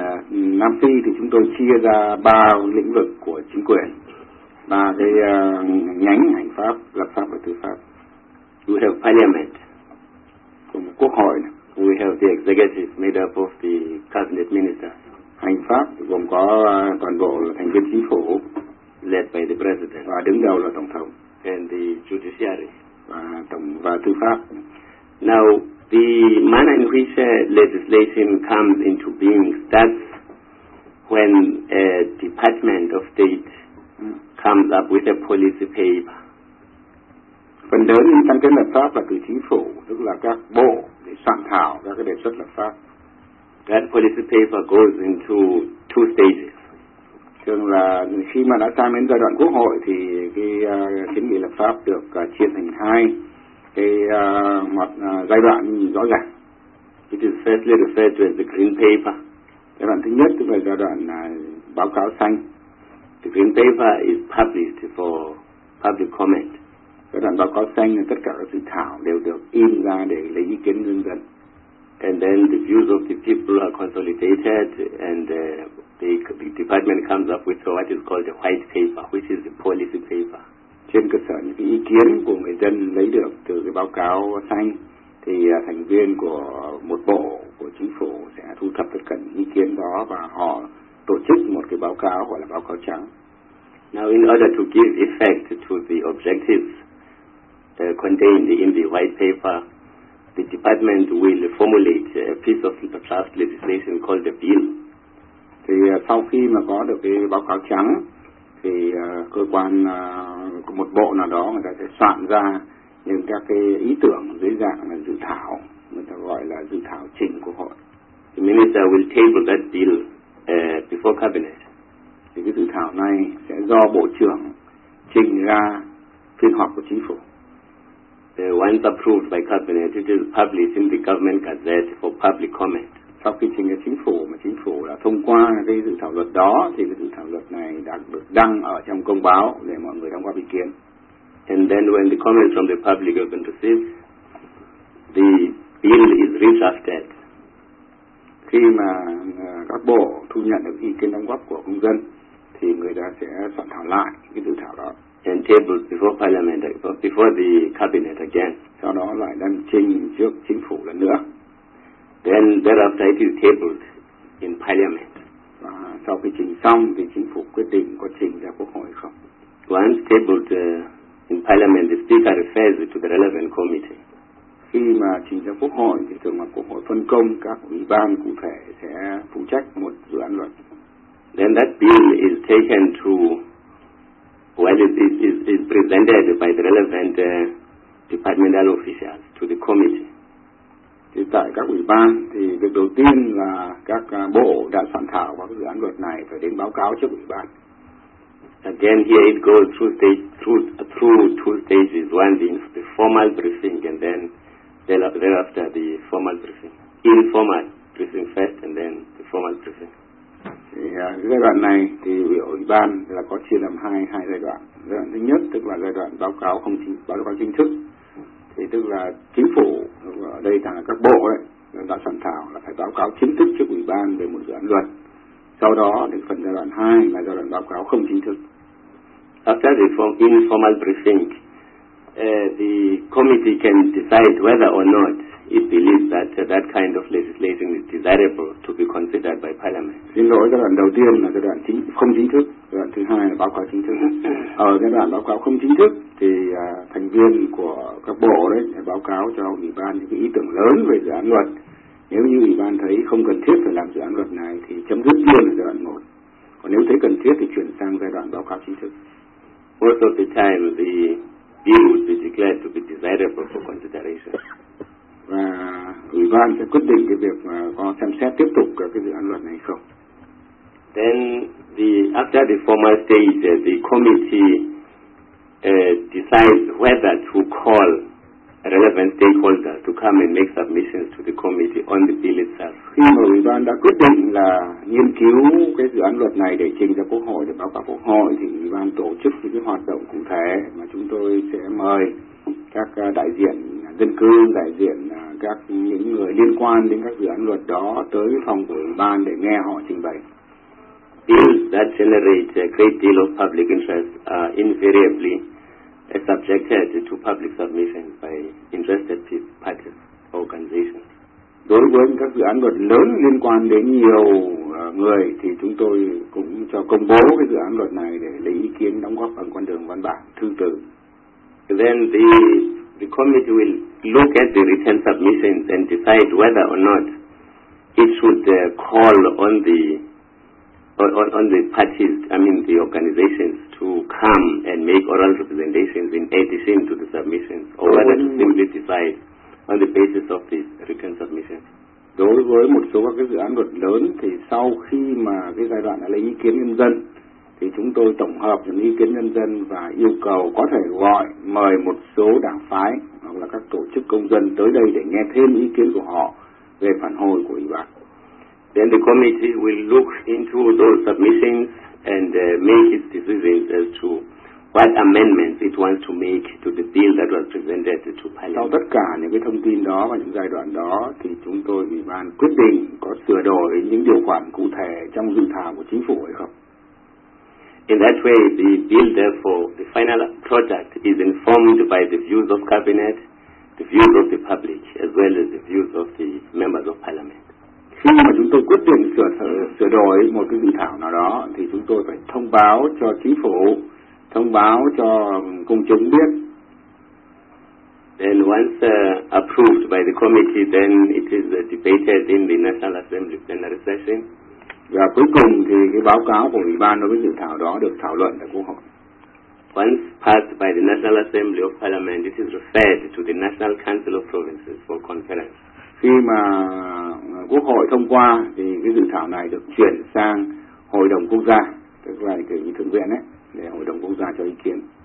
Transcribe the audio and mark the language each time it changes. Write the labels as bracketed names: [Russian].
[Vietnamese] Nam Phi thì chúng tôi chia ra ba lĩnh vực của chính quyền, ba cái nhánh hành pháp, lập pháp và tư pháp. [English] We have parliament, [Vietnamese] cùng quốc hội. [English] We have the executive made up of the cabinet ministers. [Vietnamese] Hành pháp gồm có toàn bộ là thành viên chính phủ, [English] led by the president, [Vietnamese] và đứng đầu là tổng thống. [English] And the judiciary, [Vietnamese] và tư pháp. [English] Now, the manner in which legislation comes into being starts when a department of state comes up with a policy paper. [Vietnamese] Phần lớn những sáng kiến lập pháp là từ chính phủ, tức là các bộ để soạn thảo các cái đề xuất lập pháp. [English] That policy paper goes into two stages. [Vietnamese] Thường là khi mà đã sang đến giai đoạn quốc hội thì cái kiến nghị lập pháp được chia thành hai cái một giai đoạn rõ ràng. [English] It is firstly referred to as the green paper. [Vietnamese] Giai đoạn thứ nhất tức là giai đoạn báo cáo xanh. [English] The green paper is published for public comment. [Vietnamese] Giai đoạn báo cáo xanh là tất cả các dự thảo đều được in ra để lấy ý kiến nhân dân. [English] And then the views of the people are consolidated, and the department comes up with what is called the white paper, which is the policy paper. [Vietnamese] Trên cơ sở những ý kiến của người dân lấy được từ cái báo cáo xanh, thì thành viên của một bộ của chính phủ sẽ thu thập tất cả những ý kiến đó và họ tổ chức một cái báo cáo gọi là báo cáo trắng. [English] Now, in order to give effect to the objectives contained in the white paper, the department will formulate a piece of draft legislation called the bill. [Vietnamese] Thì sau khi mà có được cái báo cáo trắng, thì cơ quan của một bộ nào đó người ta sẽ soạn ra những các cái ý tưởng dưới dạng là dự thảo, người ta gọi là dự thảo trình quốc hội. [English] The minister will table that bill before cabinet. [Vietnamese] Thì cái dự thảo này sẽ do bộ trưởng trình ra phiên họp của chính phủ. [English] Once approved by cabinet, it is published in the government gazette for public comment. [Vietnamese] Sau khi trình chính phủ, mà chính phủ đã thông qua cái dự thảo luật đó, thì cái dự thảo luật này đã được đăng ở trong công báo để mọi người đóng góp ý kiến. [English] And then when the comments from the public have been received, the bill is redrafted. [Vietnamese] Khi mà các bộ thu nhận được ý kiến đóng góp của công dân, thì người ta sẽ soạn thảo lại cái dự thảo đó. [English] And tabled before parliament, before the cabinet again. [Vietnamese] Sau đó lại đăng trình trước chính phủ lần nữa. [English] Then thereafter it is tabled in parliament. [Vietnamese] Và sau khi trình xong thì chính phủ quyết định có trình ra quốc hội không. [English] Once tabled in parliament, the speaker refers to the relevant committee. [Vietnamese] Khi mà trình ra quốc hội thì thường là quốc hội phân công các ủy ban cụ thể sẽ phụ trách một dự án luật. [English] Then that bill is taken to, well, it is presented by the relevant departmental officials to the committee. [Vietnamese] Thì tại các ủy ban thì việc đầu tiên là các bộ đã soạn thảo và dự án luật này phải đến báo cáo trước ủy ban. [English] Again, here it goes through two stages: one being the formal briefing, and then thereafter the formal briefing. Informal briefing first, and then the formal briefing. [Vietnamese] Thì giai đoạn này thì ủy ban là có chia làm hai giai đoạn. Giai đoạn thứ nhất tức là giai đoạn báo cáo không chính, báo cáo chính thức. Thì tức là chính phủ, ở đây là các bộ ấy, đã soạn thảo là phải báo cáo chính thức trước ủy ban về một dự án luật. Sau đó đến phần giai đoạn 2 là giai đoạn báo cáo không chính thức. [English] After the informal briefing, the committee can decide whether or not it believes that that kind of legislation is desirable to be considered by parliament. [Vietnamese] Xin lỗi, giai đoạn đầu tiên là giai đoạn không chính thức, giai đoạn thứ hai là báo cáo chính thức. Ở giai đoạn báo cáo không chính thức thì thành viên của các bộ đấy sẽ báo cáo cho ủy ban những cái ý tưởng lớn về dự án luật. Nếu như ủy ban thấy không cần thiết phải làm dự án luật này thì chấm dứt luôn ở giai đoạn một. Còn nếu thấy cần thiết thì chuyển sang giai đoạn báo cáo chính thức. [English] Most of the time the bill would be declared to be desirable for consideration. [Vietnamese] Và ủy ban sẽ quyết định cái việc có xem xét tiếp tục cái dự án luật này không. [English] Then after the formal stage, the committee decides whether to call a relevant different stakeholders to come and make submissions to the committee on the bill itself. [Vietnamese] Khi mà Ủy ban đã quyết định là nghiên cứu cái dự án luật này để trình ra Quốc hội để báo cáo Quốc hội thì Ủy ban tổ chức những cái hoạt động cụ thể mà chúng tôi sẽ mời các đại diện dân cư, đại diện các những người liên quan đến các dự án luật đó tới phòng của Ủy ban để nghe họ trình bày. [English] Bills that generate a great deal of public interest are invariably subjected to public submission by interested parties or organizations. [Vietnamese] Đối với các dự án luật lớn liên quan đến nhiều người thì chúng tôi cũng cho công bố cái dự án luật này để lấy ý kiến đóng góp bằng con đường văn bản, thư từ. [English] Then the committee will look at the written submissions and decide whether or not it should call on the organizations to come and make oral representations in addition to the submissions, or whether to simply decide on the basis of the written submission. [Vietnamese] Đối với một số các cái dự án luật lớn thì sau khi mà cái giai đoạn đã lấy ý kiến nhân dân thì chúng tôi tổng hợp những ý kiến nhân dân và yêu cầu có thể gọi mời một số đảng phái hoặc là các tổ chức công dân tới đây để nghe thêm ý kiến của họ về phản hồi của ủy ban. [English] Then the committee will look into those submissions and make its decisions as to what amendments it wants to make to the bill that was presented to Parliament. [Vietnamese] Sau tất cả những cái thông tin đó và những giai đoạn đó thì chúng tôi ủy ban quyết định có sửa đổi những điều khoản cụ thể trong dự thảo của chính phủ hay không. [English] In that way, the bill, therefore, the final product is informed by the views of cabinet, the views of the public, as well as the views of the members of parliament. [Vietnamese] Khi mà chúng tôi quyết định sửa đổi một cái dự thảo nào đó thì chúng tôi phải thông báo cho chính phủ, thông báo cho công chúng biết. [English] Then once approved by the committee, then it is debated in the National Assembly plenary session. [Vietnamese] Và cuối cùng thì cái báo cáo của ủy ban đối với dự thảo đó được thảo luận tại Quốc hội. [English] Once passed by the National Assembly of Parliament, it is referred to the National Council of Provinces for conference. [Vietnamese] Khi mà Quốc hội thông qua thì cái dự thảo này được chuyển sang Hội đồng Quốc gia, tức là kiểu như thượng viện ấy, để Hội đồng Quốc gia cho ý kiến.